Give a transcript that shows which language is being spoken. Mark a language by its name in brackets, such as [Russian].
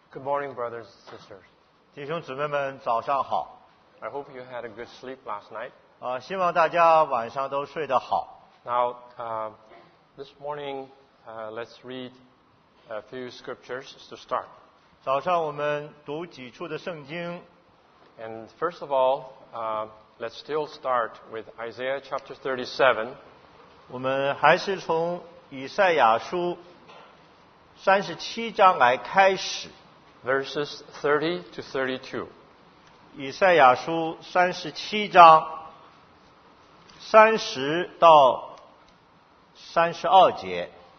[English] Good morning, brothers and sisters. [Chinese] 弟兄姊妹们，早上好。 [English] I hope you had a good sleep last night. [Chinese] 希望大家晚上都睡得好。 [English] Now, this morning, let's read a few scriptures to start. [Chinese] 早上我们读几处的圣经。 [English] And first of all, let's still start with Isaiah chapter 37. [Chinese] 我们还是从以赛亚书三十七章来开始。 [English] Verses 30 to 32. [Chinese] 以赛亚书三十七章三十到三十二节。